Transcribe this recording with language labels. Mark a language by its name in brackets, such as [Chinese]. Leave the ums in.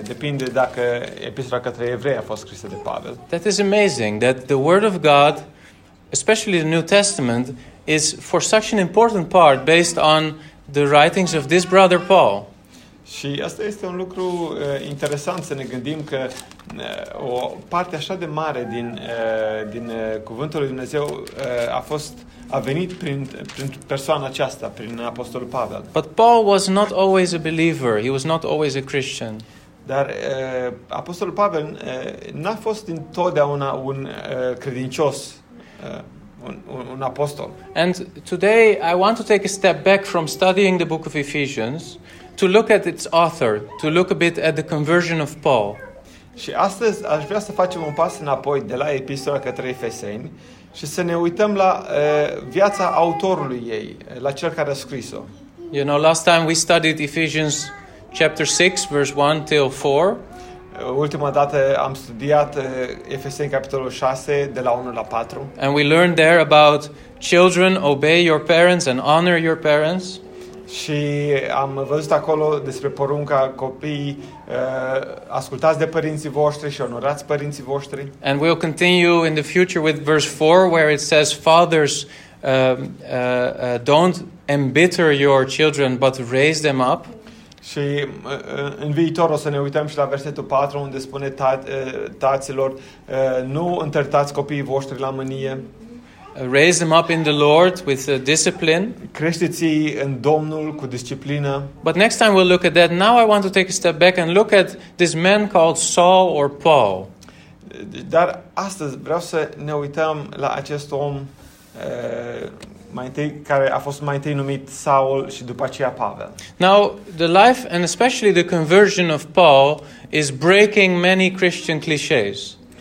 [Romanian] Depinde dacă epistola către evrei a fost scrisă de Pavel. [English] That is amazing that the word of God, especially the New Testament, is for such an important part based on the writings of this brother Paul. [Romanian] Și asta este un lucru uh, interesant să ne gândim că uh, o parte așa de mare din, uh, din uh, Cuvântul lui Dumnezeu uh, a fost a venit prin, prin persoana aceasta, prin apostolul Pavel. [English] But Paul was not always a believer. He was not always a Christian. [Romanian] Dar uh, apostolul Pavel uh, n-a fost întotdeauna un uh, credincios. [English] Uh, Un, un and today I want to take a step back from studying the book of Ephesians to look at its author, to look a bit at the conversion of Paul. [Romanian] Și astăzi aș vrea să facem un pas înapoi de la epistola către Efeseni și să ne uităm la viața autorului ei, la cel care [English] You know, last time we studied Ephesians chapter 6 verse 1 till 4. [Romanian] ultima dată am studiat uh, capitolul 6 de la 1 la 4. [English] And we learned there about children obey your parents and honor your parents. [Romanian] și am văzut acolo despre porunca copiii uh, ascultați de părinții voștri și onorați părinții voștri. [English] And we'll continue in the future with verse 4 where it says fathers uh, uh, uh, don't embitter your children but raise them up. [Romanian] Și uh, în viitor o să ne uităm și la versetul 4 unde spune tați, taților uh, nu întărtați copiii voștri la mânie. [English] raise them up in the Lord with discipline. [Romanian] În Domnul cu disciplină. [English] But next time we'll look at that. Now I want to take a step back and look at this man called Saul or Paul. [Romanian] Dar astăzi vreau să ne uităm la acest om uh, mai întâi, care a fost mai întâi numit Saul și după aceea Pavel. [English] Now, the life and especially the conversion of Paul is breaking many Christian clichés.